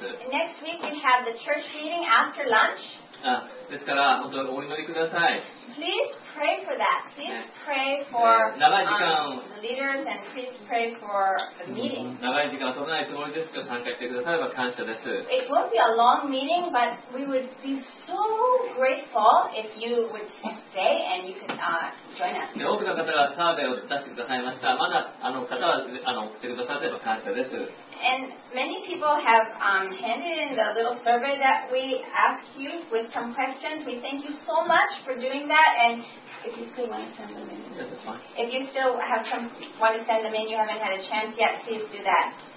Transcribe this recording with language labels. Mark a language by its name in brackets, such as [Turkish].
[English] Next week we have the church meeting after lunch. [Japanese] ですから本当にお祈りください。 [English] Please pray for that. Please pray for leaders and please pray for the meeting. [Japanese] 長い時間取らないつもりですけど参加してくだされば感謝です。 [English] It won't be a long meeting, but we would be so grateful if you would stay and you could join us. [Japanese] 多くの方がサーベイを出してくださいました。まだ方は送ってくだされば感謝です。 [English] And many people have handed in the little survey that we asked you with some questions. We thank you so much for doing that. And if you still want to send them in, yeah, that's fine. If you still have some, want to send them in, you haven't had a chance yet, please do that.